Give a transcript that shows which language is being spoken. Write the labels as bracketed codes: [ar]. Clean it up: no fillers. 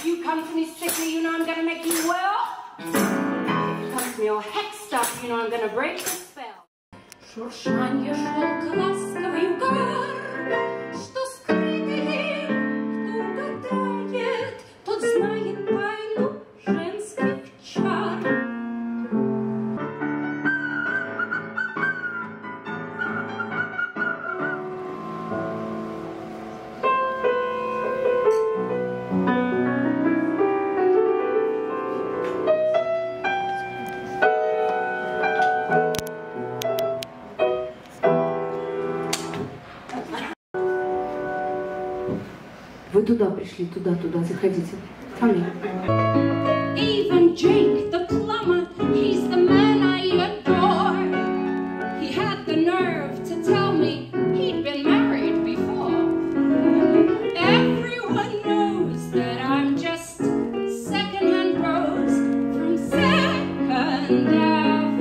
[en] come to me sickly, you know I'm gonna make you well. If you come to me all hexed up, you know I'm gonna break the spell. [ru] Шуршанье шелка ласковый угар, что скрытый лик, кто угадает, тот знает тайну женских чар. Вы туда пришли, туда, заходите. Ко мне. [en] Even Jake the plumber, he's the man I adore. He had the nerve to tell me he'd been married before. Everyone knows that I'm just second hand rose from Second Avenue.